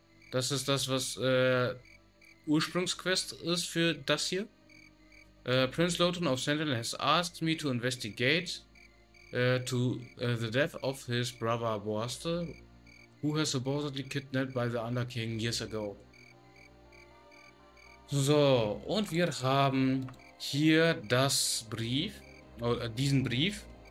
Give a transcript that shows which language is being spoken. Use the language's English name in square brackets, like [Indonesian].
[German] Das ist das, was Ursprungsquest ist für das hier. [English] Prince Lothar of Sentinel has asked me to investigate the death of his brother Borste, who has supposedly kidnapped by the Underking years ago. [German] So, und wir haben hier das Brief, oder diesen Brief.